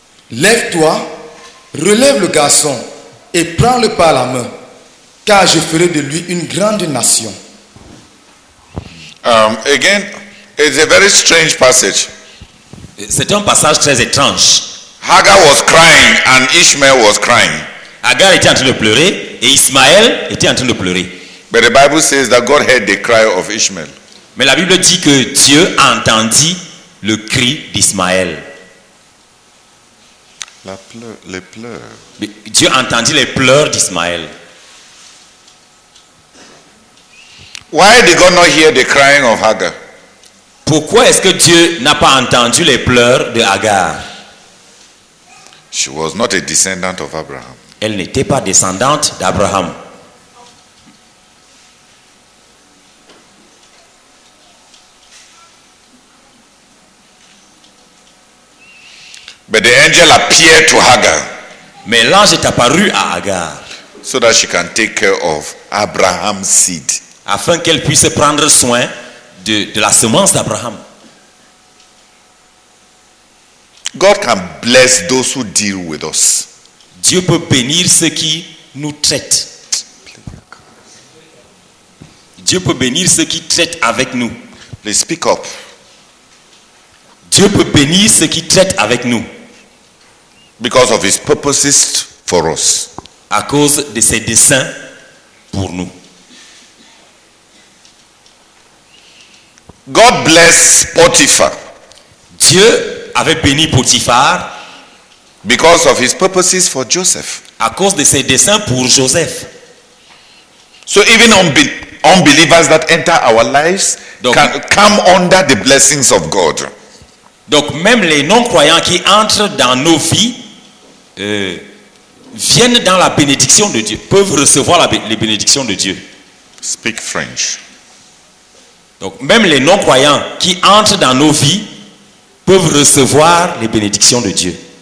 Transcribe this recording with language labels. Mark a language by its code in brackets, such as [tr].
[fr] Lève-toi, relève le garçon et prends-le par la main, car je ferai de lui une grande nation. [en] Again, it's a very strange passage. [fr] C'est un passage très étrange. [en] Hagar was crying and Ishmael was crying. [fr] Hagar était en train de pleurer et Ismaël était en train de pleurer. [en] But the Bible says that God heard the cry of Ishmael. [fr] Mais la Bible dit que Dieu entendit le cri d'Ismaël. Les pleurs. Dieu entendit les pleurs d'Ismaël. [en] Why did God not hear the crying of Hagar? [fr] Pourquoi est-ce que Dieu n'a pas entendu les pleurs de Hagar? [en] She was not a descendant of Abraham. [fr] Elle n'était pas descendante d'Abraham. [en] But the angel appeared to Hagar. [fr] Mais l'ange est apparu à Hagar. [en] So that she can take care of Abraham's seed. [fr] Afin qu'elle puisse prendre soin de la semence d'Abraham. [en] God can bless those who deal with us. [fr] Dieu peut bénir ceux qui nous traitent. Dieu peut bénir ceux qui traitent avec nous. [en] Please speak up. [fr] Dieu peut bénir ceux qui traitent avec nous. [en] Because of his purposes for us. [fr] À cause de ses desseins pour nous. [en] God bless Potiphar. [fr] Dieu avait béni Potiphar [en] because of his purposes for Joseph. [fr] À cause de ses desseins pour Joseph. [en] So even unbelievers that enter our lives can come under the blessings of God. [fr] Donc même les non-croyants qui entrent dans nos vies viennent dans la bénédiction de Dieu, peuvent recevoir les bénédictions de Dieu. [en] Speak French. [fr] Donc même les non-croyants qui entrent dans nos vies peuvent recevoir les bénédictions de Dieu.